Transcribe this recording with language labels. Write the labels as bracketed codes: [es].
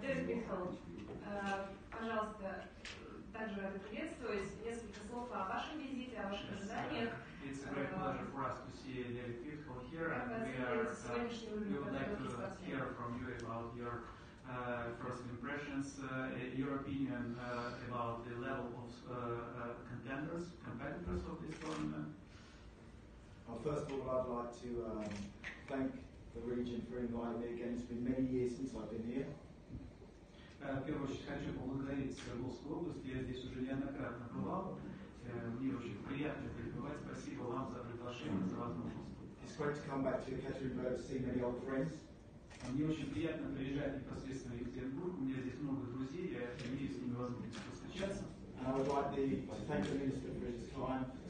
[ru] Денис Михайлович, пожалуйста, также рады приветствовать. Несколько слов о вашем визите, о ваших ожиданиях. [en] It's a great pleasure for us to see Derek Pichel here, and we would like to hear from you about your first impressions, your opinion about the level of competitors of this tournament. Well, first of all, I'd like to thank the region for inviting me again. It's been many years since I've been here. [ru] Первое, что хочу поблагодарить Свердловскую область. Я здесь уже неоднократно бывал. Мне очень приятно пребывать. Спасибо вам за приглашение, за возможность. [en] It's great to come back to Екатеринбург, see many old friends. [ru] Мне очень приятно приезжать непосредственно в Екатеринбург. У меня здесь много друзей, я имею с ними возможность постучаться. [en] And I would like to thank the minister for his time.